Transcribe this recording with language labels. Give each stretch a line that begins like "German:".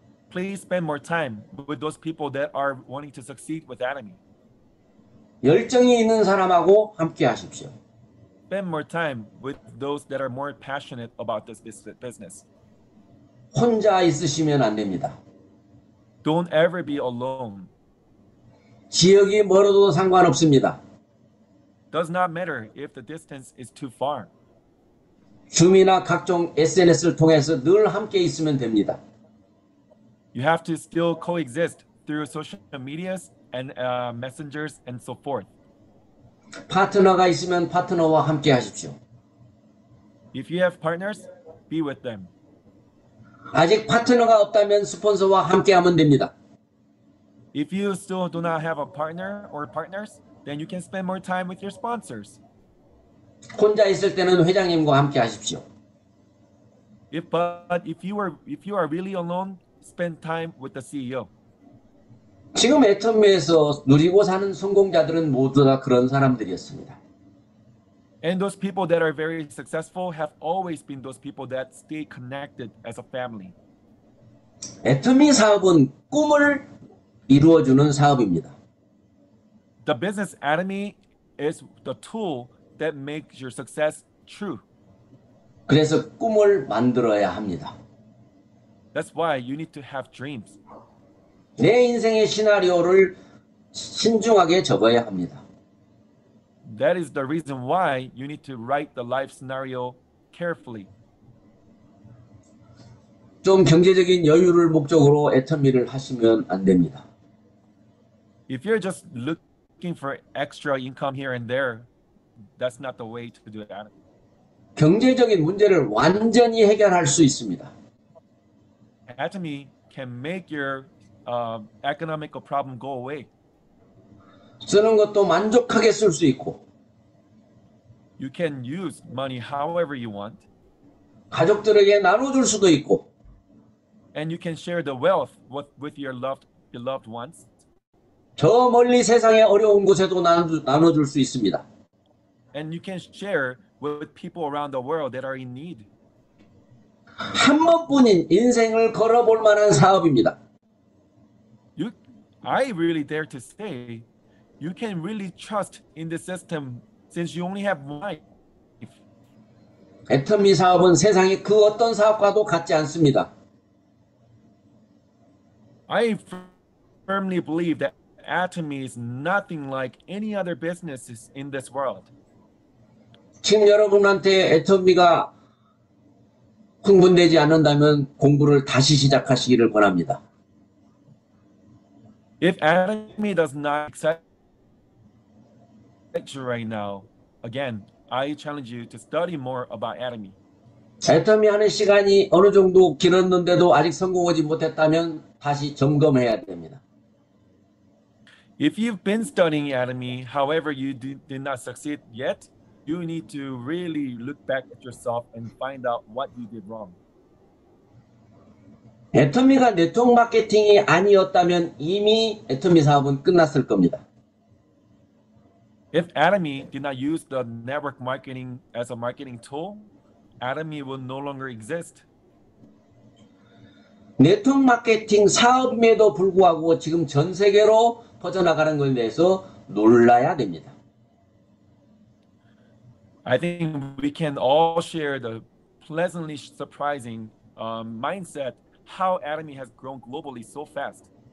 English: Please spend more time with those people that are wanting to succeed with Atomy.
Korean: 열정이 있는 사람하고 함께 하십시오.
English: Spend more time with those that are more passionate about this business.
Korean: 혼자 있으시면 안 됩니다.
English: Don't ever be alone.
Korean: 지역이 멀어도 상관없습니다.
English: Does not matter if the distance is too far.
Korean: 줌이나 각종 SNS를 통해서 늘 함께 있으면 됩니다.
English: You have to still coexist through social medias and messengers and so forth.
Korean: 파트너가 있으면 파트너와 함께 하십시오.
English: If you have partners, be with them.
Korean: 아직 파트너가 없다면 스폰서와 함께 하면 됩니다.
English: If you still do not have a partner or partners, then you can spend more time with your sponsors.
Korean: 혼자 있을 때는 회장님과 함께 하십시오.
English: If you are really alone, spend time with the CEO.
Korean: 지금 애터미에서 누리고 사는 성공자들은 모두 다 그런 사람들이었습니다.
English: And those people that are very successful have always been those people that stay connected as a family.
Korean: 애터미 사업은 꿈을 이루어주는 사업입니다.
English: The business Atomy is the tool that makes your success true.
Korean: 그래서 꿈을 만들어야 합니다.
English: That's why you need to have dreams.
Korean: 내 인생의 시나리오를 신중하게 적어야 합니다.
English: That is the reason why you need to write the life scenario carefully.
Korean: 좀 경제적인 여유를 목적으로 애터미를 하시면 안 됩니다.
English: If you're just looking for extra income here and there, that's not the way to do that.
Korean: 경제적인 문제를 완전히 해결할 수 있습니다.
English: Atomy can make your economical problem go away.
Korean: 쓰는 것도 만족하게 쓸 수 있고.
English: You can use money however you want.
Korean: 가족들에게 나눠줄 수도 있고.
English: And you can share the wealth with your beloved ones.
Korean: 저 멀리 세상의 어려운 곳에도 나눠줄 수 있습니다.
English: And you can share with people around the world that are in need.
Korean: 한 번뿐인 인생을 걸어볼 만한 사업입니다.
English: I really dare to say, you can really trust in the system since you only have one life.
Korean: Atomy 사업은 세상의 그 어떤 사업과도 같지 않습니다.
English: I firmly believe that Atomy is nothing like any other businesses in this world.
Korean: 지금 여러분한테 애터미가 흥분되지 않는다면 공부를 다시 시작하시기를 권합니다.
English: If Atomy does not excite you right now, again, I challenge you to study more about Atomy.
Korean: 애터미 하는 시간이 어느 정도 길었는데도 아직 성공하지 못했다면 다시 점검해야 됩니다.
English: If you've been studying anatomy, however, you did not succeed yet, you need to really look back at yourself and find out what you did wrong.
Korean: 애터미가 네트워크 마케팅이 아니었다면 이미 애터미 사업은 끝났을 겁니다.
English: If Atomy did not use the network marketing as a marketing tool, Atomy will no longer exist.
Korean: 네트워크 마케팅 사업임에도 불구하고 지금 전 세계로 퍼져나가는 것에 대해서 놀라야 됩니다.
English: I think we can all share the pleasantly surprising mindset how Atomy has grown globally so fast.